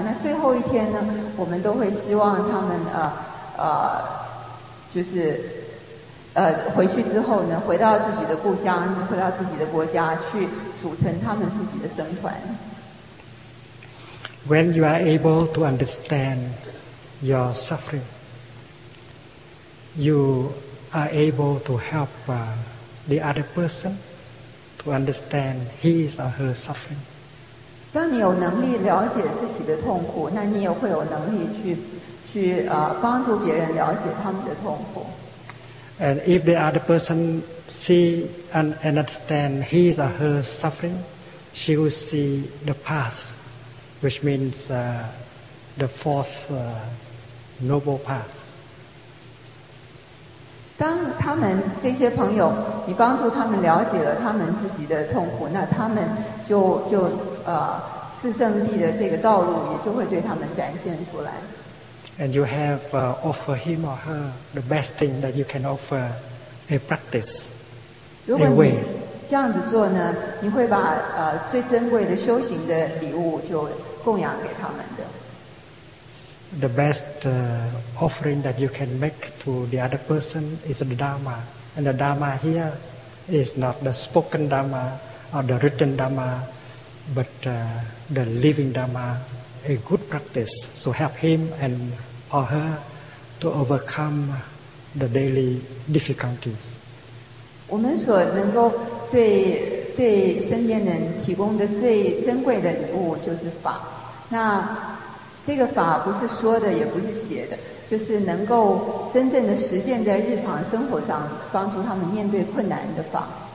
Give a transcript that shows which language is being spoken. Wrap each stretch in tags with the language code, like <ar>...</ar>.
<zh>那最后一天呢，我们都会希望他们回去之后呢，回到自己的故乡，回到自己的国家，去组成他们自己的僧团。</zh> <en>When you are able to understand your suffering, you are able to help the other person. To understand his or her suffering.</en> <zh>当你有能力了解自己的痛苦，那你也会有能力去帮助别人了解他们的痛苦。</zh> <en>And if the other person see and understand his or her suffering, she will see the path, which means the fourth noble path.</en> <zh>当他们这些朋友，你帮助他们了解了他们自己的痛苦，那他们就四圣地的这个道路也就会对他们展现出来。</zh> <en>And you have offer him or her the best thing that you can offer a practice.</en> <zh>如果你这样子做呢，你会把最珍贵的修行的礼物就供养给他们的。</zh> <en>The best offering that you can make to the other person is the Dharma. And the Dharma here is not the spoken Dharma or the written Dharma, but the living Dharma, a good practice to help him and or her to overcome the daily difficulties.</en> <zh>我们所能够对身边人提供的最珍贵的礼物就是法。那这个法不是说的，也不是写的，就是能够真正的实践在日常生活上，帮助他们面对困难的法。</zh>